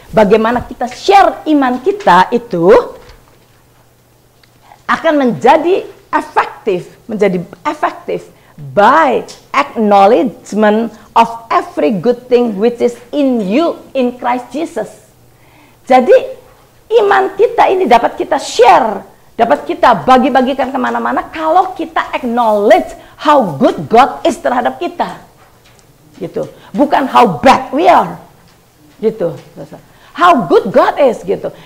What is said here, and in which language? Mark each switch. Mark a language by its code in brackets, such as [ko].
[id] Bagaimana kita share iman kita itu akan menjadi efektif. Menjadi efektif [en] by acknowledgement of every good thing which is in you in Christ Jesus. [id] Jadi, iman kita ini dapat kita share, dapat kita bagi-bagikan kemana-mana kalau kita acknowledge [en] how good God is [id] terhadap kita. [en] Gitu. Bukan how bad we are. Gitu. How good God is, gitu.